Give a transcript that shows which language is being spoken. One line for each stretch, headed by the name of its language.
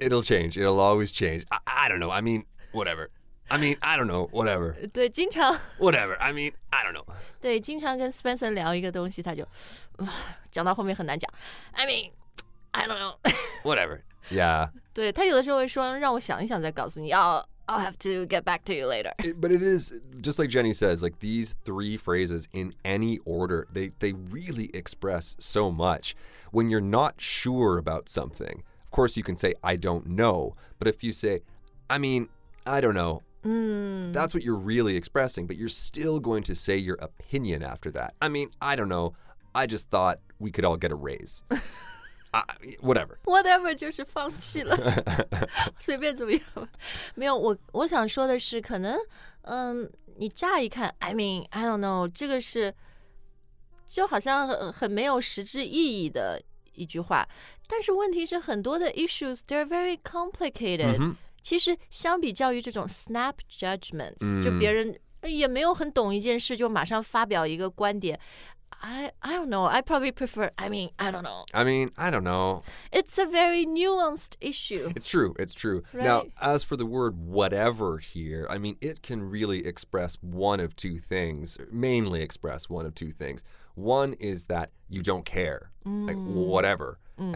English: Yeah, it'll change. It'll always change. I don't know. I mean, whatever. I mean, I don't know. Whatever.
Chinese: 对，经常。
English: Whatever. I mean, I don't know.
Chinese: 对，经常跟 Spencer 聊一个东西，他就讲到后面很难讲。
English: I mean, I don't know. Whatever. Yeah.
Chinese: 对，他有的时候会说，让我想一想再告诉你。
English: I'll have to get back to you later. But it is, just like Jenny says, like these three phrases in any order, they really express so much. When you're not sure about something, of course you can say, I don't know. But if you say, I mean, I don't know,that's what you're really expressing. But you're still going to say your opinion after that. I mean, I don't know. I just thought we could all get a raise. whatever.
Chinese: Whatever 就是放弃了，随便怎么样。没有，我想说的是，可能，你乍一看 ，
English: I mean, I don't know，
Chinese: 这个是就好像 很没有实质意义的一句话。但是问题是，很多的
English: issues they're very complicated、 mm-hmm.。
Chinese: 其实相比较于这种 snap judgments，、mm-hmm. 就别人也没有很懂一件事就马上发表一个观点。
English: I don't know. I probably prefer, I mean, I don't know. I mean, I don't know. It's a very nuanced issue. It's true. It's true. Right? Now, as for the word whatever here, I mean, it can really express one of two things, mainly express one of two things. One is that you don't care, like whatever. Mm.